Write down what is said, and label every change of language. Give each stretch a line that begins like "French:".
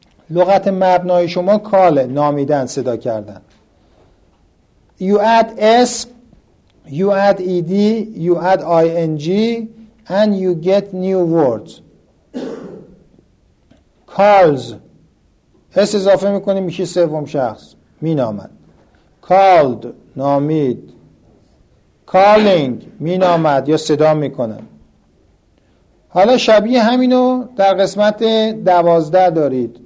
Persian: لغت مبنای شما کاله، نامیدن، صدا کردن.
English: You add s, you add ed, you add ing and you get new words. Calls.
Persian: S اضافه میکنیم میشه سوم شخص، مینامد. Called، نامید. Calling، مینامد یا صدا میکنه. حالا شبیه همینو در قسمت 12 دارید.